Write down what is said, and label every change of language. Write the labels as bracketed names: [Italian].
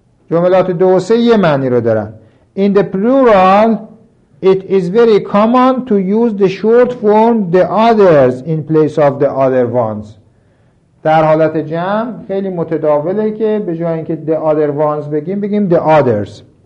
[Persian] جملات دو و سه یه معنی رو دارن. [English] In the plural, it is very common to use the short form the others in place of the other ones. [Persian] در حالت جمع خیلی متداوله که به جای اینکه [English] the other ones [Persian] بگیم [English] the others.